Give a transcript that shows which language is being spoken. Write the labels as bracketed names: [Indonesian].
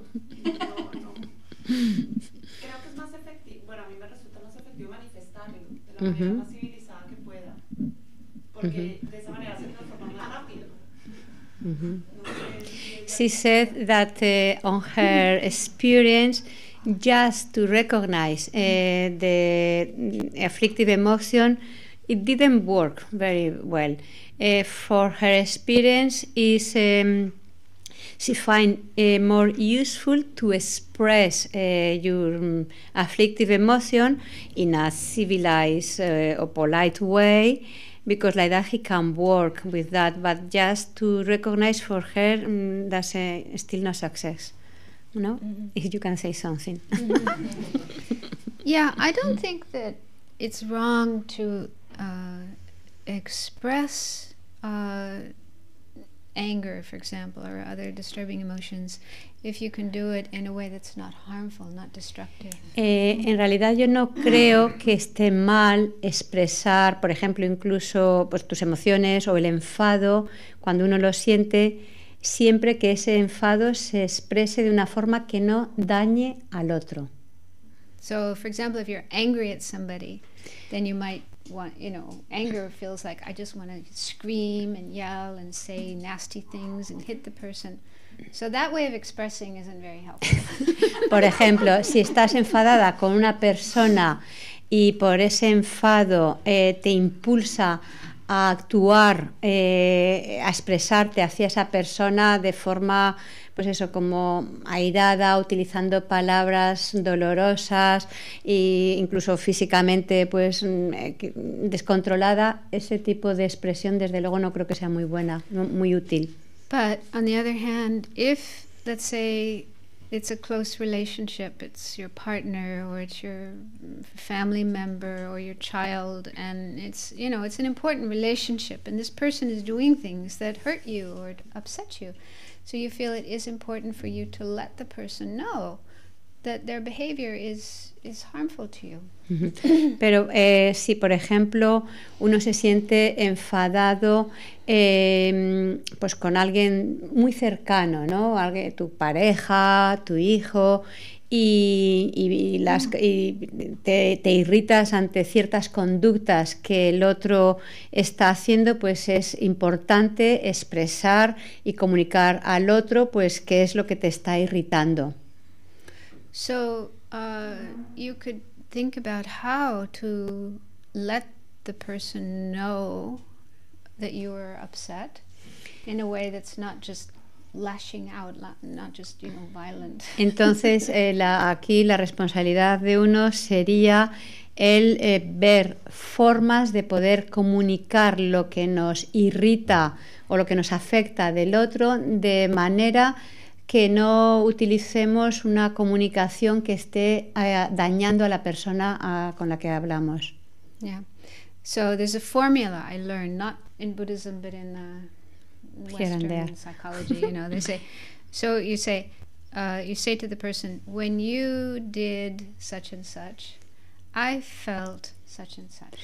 [Spanish] Creo que es más efectivo, bueno, a mí me resulta más efectivo manifestarlo de la manera más civilizada que pueda, porque de esa manera se transforma más rápido. [English] She said that on her experience, just to recognize the afflictive emotion, it didn't work very well. For her experience, is she find more useful to express your afflictive emotion in a civilized or polite way, because like that he can work with that, but just to recognize for her, that's still not success, no? Mm-hmm. If you can say something. Mm-hmm. Yeah, I don't think that it's wrong to express anger, for example, or other disturbing emotions, if you can do it in a way that's not harmful, not destructive. [Spanish] En realidad yo no creo que esté mal expresar, por ejemplo, incluso pues, tus emociones o el enfado cuando uno lo siente, siempre que ese enfado se exprese de una forma que no dañe al otro. [English] So, for example, if you're angry at somebody, then you might want, you know, anger feels like I just want to scream and yell and say nasty things and hit the person. So that way of expressing isn't very helpful. [Spanish] Por ejemplo, si estás enfadada con una persona y por ese enfado te impulsa a actuar, a expresarte hacia esa persona de forma, pues eso, como airada, utilizando palabras dolorosas e incluso físicamente pues descontrolada, ese tipo de expresión desde luego no creo que sea muy buena, muy útil. [English] But on the other hand, if let's say it's a close relationship, it's your partner or it's your family member or your child, and it's, you know, it's an important relationship and this person is doing things that hurt you or upset you, so you feel it is important for you to let the person know that their behavior is harmful to you. [Spanish] Pero si, por ejemplo, uno se siente enfadado pues con alguien muy cercano, ¿no? Alguien, tu pareja, tu hijo, y te irritas ante ciertas conductas que el otro está haciendo, pues es importante expresar y comunicar al otro pues qué es lo que te está irritando. [English] So you could think about how to let the person know that you are upset in a way that's not just lashing out, not just, you know, violent. [Spanish] Entonces aquí la responsabilidad de uno sería el ver formas de poder comunicar lo que nos irrita o lo que nos afecta del otro de manera que no utilicemos una comunicación que esté dañando a la persona con la que hablamos. [English] Yeah. So there's a formula I learned, not in Buddhism, but in Western psychology. You know, they say, so you say to the person, when you did such and such, I felt such and such.